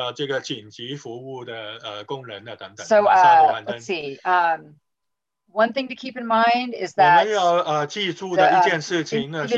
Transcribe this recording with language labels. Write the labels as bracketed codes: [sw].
[zh] 就是正式昨天开始了，就是65岁或者以上的那个关键的工人呢，照顾儿童的工人呢，教育方面的童工呢，这个紧急服务的工人呢等等。 [en] So let's see. One thing to keep in mind is that [zh] 我们要记住的一件事情呢是